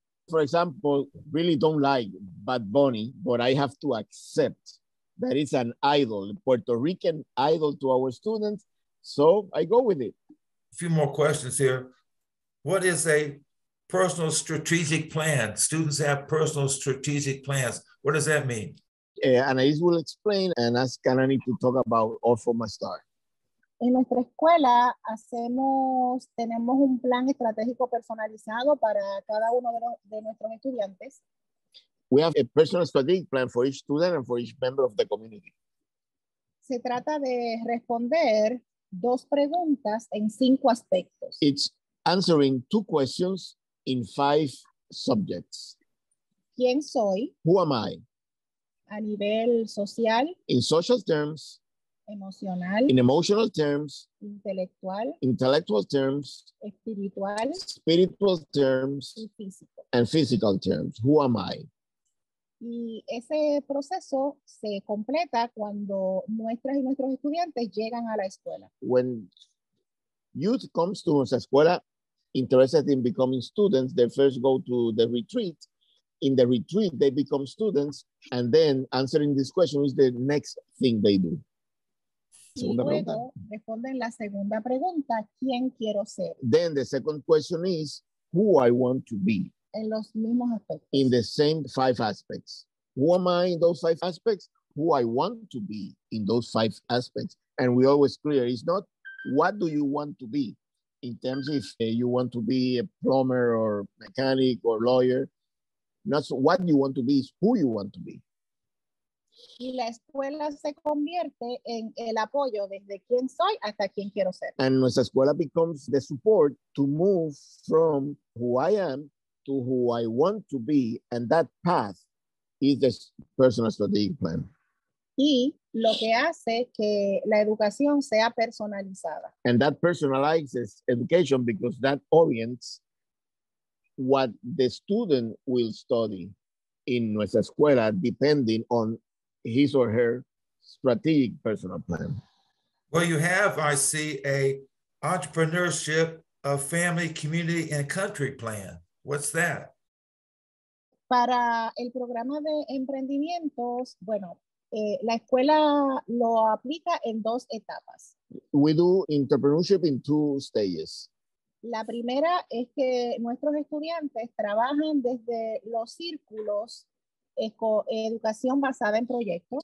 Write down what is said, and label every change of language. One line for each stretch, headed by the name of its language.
English: For example, really don't like Bad Bunny, but I have to accept that it's an idol, a Puerto Rican idol to our students, so I go with it. A few more questions here. What is a personal strategic plan? Students have personal strategic plans. What does that mean? Anais will explain and ask Kanani to talk about All For My Star.
Spanish: En nuestra escuela tenemos un plan estratégico personalizado para cada uno de nuestros estudiantes.
English: We have a personal strategic plan for each student and for each member of the community.
Spanish: Se trata de responder dos preguntas en cinco aspectos.
English: It's answering two questions in five subjects.
Spanish: ¿Quién soy?
English: Who am I?
Spanish: A nivel social.
English: In social terms.
Spanish: Emocional.
English: In emotional terms.
Spanish: Intelectual.
English: Intellectual terms.
Spanish: Espiritual.
English: Spiritual terms.
Spanish: Y físico.
English: And physical terms. Who am I?
Spanish: Y ese proceso se completa cuando nuestras y nuestros estudiantes llegan a la escuela.
English: When youth comes to nuestra escuela interested in becoming students, they first go to the retreat. In the retreat, they become students, and then answering this question is the next thing they do.
Spanish: Y luego responden la segunda pregunta, ¿quién quiero ser?
English: Then the second question is, who I want to be?
Spanish: En los mismos aspectos.
English: In the same five aspects. Who am I in those five aspects? Who I want to be in those five aspects? And we always clear, it's not, what do you want to be? In terms of you want to be a plumber or mechanic or lawyer. Not so, what you want to be is who you want to be.
Spanish: Y la escuela se convierte en el apoyo desde quién soy hasta quién quiero ser.
English: And nuestra escuela becomes the support to move from who I am to who I want to be. And that path is the personal strategic plan.
Spanish: Y lo que hace que la educación sea personalizada.
English: And that personalizes education because that orients what the student will study in nuestra escuela depending on his or her strategic personal plan. Well, you have, I see, a entrepreneurship of family, community, and country plan. What's that?
Spanish: Para el programa de emprendimientos, bueno, la escuela lo aplica en dos etapas.
English: We do entrepreneurship in two stages.
Spanish: La primera es que nuestros estudiantes trabajan desde los círculos educación basada en proyectos.